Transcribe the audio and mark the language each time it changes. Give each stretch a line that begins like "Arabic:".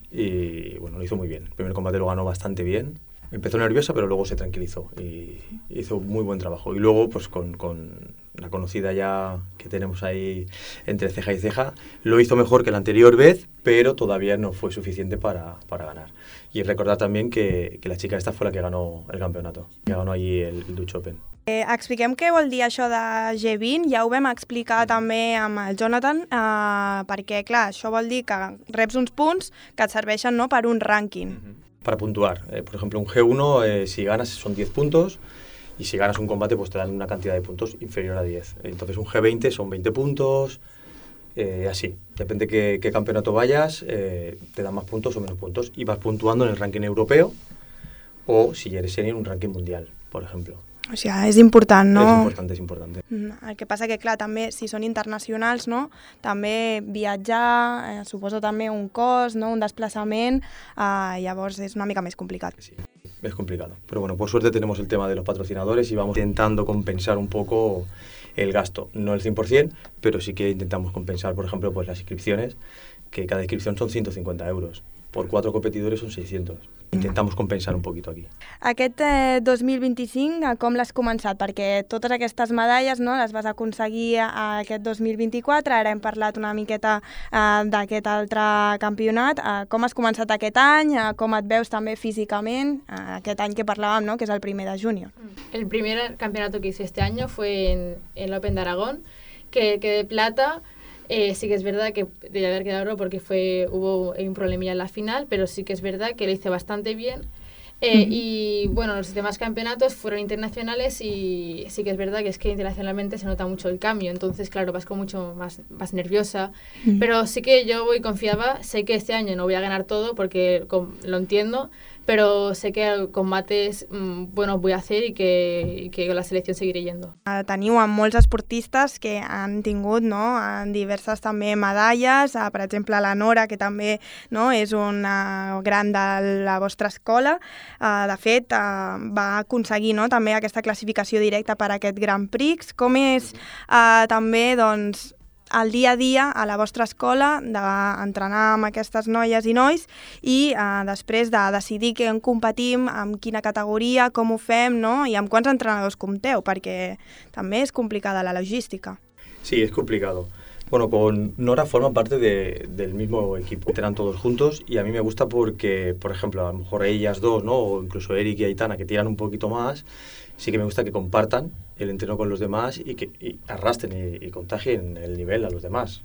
Spanish: Y bueno, lo hizo muy bien. El primer combate lo ganó bastante bien. Empezó nerviosa, pero luego se tranquilizó y hizo muy buen trabajo. Y luego, pues con la conocida ya que tenemos ahí entre ceja y ceja, lo hizo mejor que la anterior vez, pero todavía no fue suficiente para ganar. Y recordar también que la chica esta fue la que ganó el campeonato, que ganó allí el Dutch Open.
Catalan: Expliquem què vol dir això de G20, ja ho vam explicar també amb el Jonathan, perquè, clar, això vol dir que reps uns punts que et serveixen, no, per un rànquing. Mm-hmm.
Spanish: Para puntuar, por ejemplo, un G1, si ganas son 10 puntos y si ganas un combate pues te dan una cantidad de puntos inferior a 10. Entonces un G20 son 20 puntos, así. Depende de qué campeonato vayas, te dan más puntos o menos puntos y vas puntuando en el ranking europeo o, si eres senior, un ranking mundial, por ejemplo.
Catalan: O sea, és important, no? És important. El que passa que, clar, també, si són internacionals, no?, també viatjar, suposo també un cost, no?, un desplaçament, llavors és una mica més complicat. Sí, és complicat.
Spanish: Però, bueno, por suerte tenemos el tema de los patrocinadores y vamos intentando compensar un poco el gasto. No el 100%, pero sí que intentamos compensar, por ejemplo, pues las inscripciones, que cada inscripción son 150 euros. Por 4 competidores son 600. Intentamos compensar un poquito aquí.
Catalan: Aquest 2025, com l'has començat? Perquè totes aquestes medalles, no, les vas aconseguir aquest 2024, ara hem parlat una miqueta d'aquest altre campionat. Com has començat aquest any? Com et veus també físicament? Aquest any que parlàvem, no, que és el primer de juny.
Spanish: El primer campionato que hice este año fue en l'Open d'Aragón, que quedé plata. Sí que es verdad que debía haber quedado oro porque hubo un problemilla en la final, pero sí que es verdad que lo hice bastante bien. Y bueno, los demás campeonatos fueron internacionales y sí que es verdad que es que internacionalmente se nota mucho el cambio. Entonces, claro, vas con mucho más nerviosa. Pero sí que yo voy confiada. Sé que este año no voy a ganar todo porque lo entiendo, pero sé que combates buenos voy a hacer y que con la selección seguiré yendo.
Catalan: Teniu a molts esportistes que han tingut, no, diverses també medalles, per exemple la Nora, que també, no, és una gran de la vostra escola. De fet, va aconseguir, no, també aquesta classificació directa per aquest Grand Prix. Com és també, doncs, el dia a dia a la vostra escola d'entrenar amb aquestes noies i nois i després de decidir què en competim, amb quina categoria, com ho fem, no? I amb quants entrenadors compteu, perquè també és complicada la logística. Sí, és complicat.
Spanish: Bueno, con Nora forma parte del mismo equipo. Entrenan todos juntos y a mí me gusta porque, por ejemplo, a lo mejor ellas dos, ¿no?, o incluso Eric y Aitana, que tiran un poquito más, sí que me gusta que compartan el entreno con los demás y que y arrastren y contagien el nivel a los demás.